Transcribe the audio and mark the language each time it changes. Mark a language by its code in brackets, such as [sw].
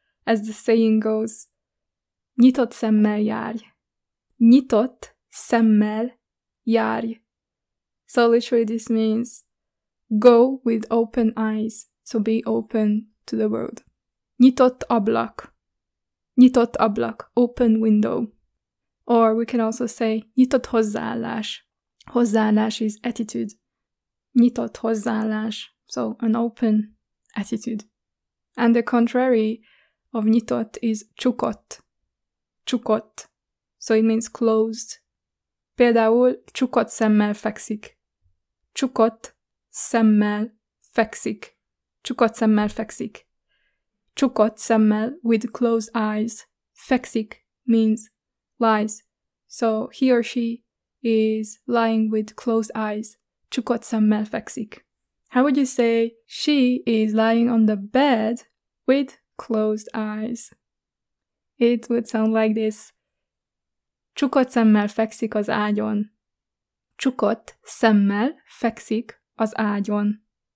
[en] As the saying goes, [hu] nyitott szemmel járj. Nyitott szemmel járj. [en] So literally this means go with open eyes, so be open to the world. [hu] Nyitott ablak. Nyitott ablak, [en] open window. Or we can also say [hu] nyitott hozzáállás. [en] Hozzáállás is attitude. [hu] Nyitott hozzáállás, [en] so an open attitude. And the contrary of nyitott is csukott. Csukott. So it means closed. [hu] Például csukott szemmel fekszik. Csukott szemmel fekszik. Csukott szemmel fekszik. Csukott szemmel [en] with closed eyes. Fekszik means lies. So he or she is lying with closed eyes. [hu] Csukott szemmel fekszik. [en] How would you say she is lying on the bed with closed eyes? It would sound like this. [hu] Csukott szemmel fekszik az ágyon. Csukott szemmel fekszik az ágyon.